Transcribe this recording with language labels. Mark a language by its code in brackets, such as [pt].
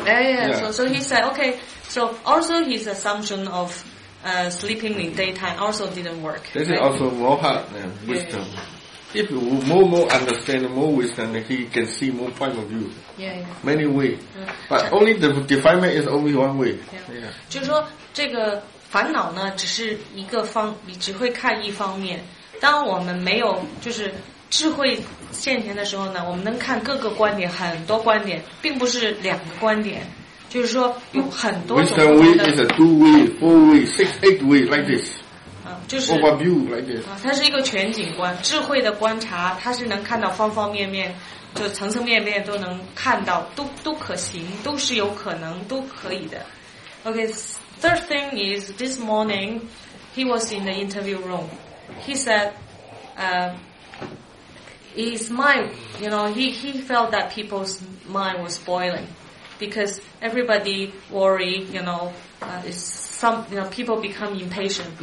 [en] Yeah. So he said, okay. So also his assumption of sleeping in daytime also didn't work. This is also more heart than wisdom. If more understand, more wisdom, he can see more point of view. Yeah. Many ways. But only the definition is only one way. Yeah. [zh] 就是说这个烦恼呢，只是一个方，你只会看一方面。当我们没有就是智慧现前的时候呢，我们能看各个观点，很多观点，并不是两个观点。就是说有很多种的。 [en] Western way is a two way, four way, six, eight way like this. [zh] 就是 [en] overview like this. [zh] 它是一个全景观，智慧的观察，它是能看到方方面面，就层层面面都能看到，都可行，都是有可能，都可以的。 [en] Okay, third thing is this morning, he was in the interview room. He said, his mind, you know, he felt that people's mind was boiling because everybody worry, you know, is some, you know, people become impatient.